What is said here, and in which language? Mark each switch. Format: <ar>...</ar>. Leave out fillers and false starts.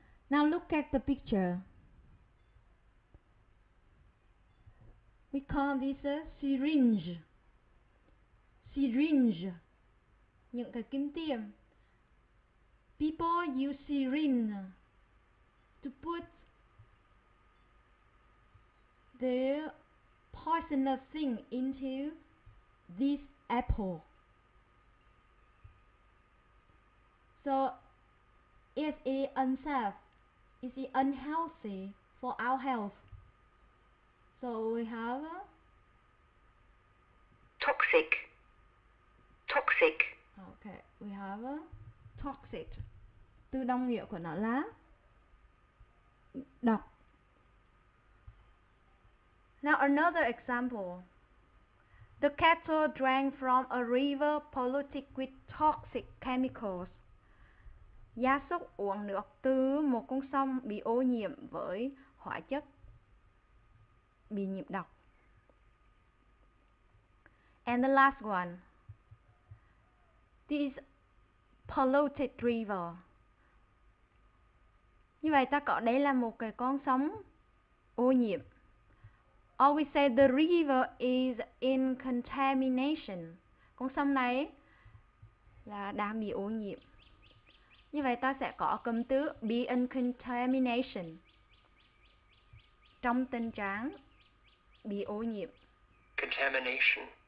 <en>Now look at the picture. We call this a syringe.</en> <vi>Syringe, những cái kim tiêm.</vi> <en>People use syringe to put the poisonous thing into this apple. So is it unsafe? Is it unhealthy for our health? So we have toxic. Okay, we have toxic.</en> <vi>Từ đồng nghĩa của nó là độc.</vi> <en>Now another example. The cattle drank from a river polluted with toxic chemicals.</en> <vi>Gia súc uống nước từ một con sông bị ô nhiễm với hóa chất bị nhiễm độc.</vi> <en>And the last one. This polluted river.</en> <vi>Như vậy ta có đây là một cái con sông ô nhiễm.</vi> <en>Or we say the river is in contamination.</en> <vi>Con sông này là đang bị ô nhiễm. Như vậy ta sẽ có cụm từ</vi> <en>be in contamination.</en> <vi>Trong tình trạng bị ô nhiễm.</vi> <en>Contamination.</en>